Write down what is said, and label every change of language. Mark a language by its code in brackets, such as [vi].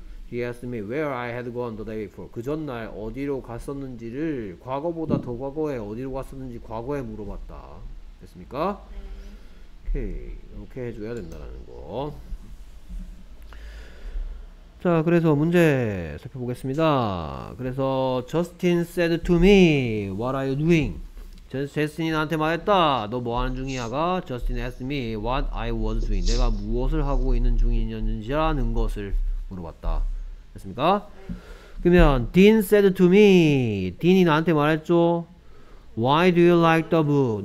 [en] He asked me where I had gone the day before. [ko] 그 전날 어디로 갔었는지를 과거보다 더 과거에 어디로 갔었는지 과거에 물어봤다. 됐습니까? 네. 오케이. 이렇게 해줘야 된다는 거. 자, 그래서 문제 살펴보겠습니다. [en] 그래서 Justin said to me, what are you doing? [ko] 제스틴이 나한테 말했다. 너 뭐하는 중이야가 [en] Justin asked me what I was doing. [ko] 내가 무엇을 하고 있는 중이었는지라는 것을 물어봤다. 됐습니까? 그러면 [en] Dean said to me. [ko] Dean이 나한테 말했죠. [en] Why do you like the book?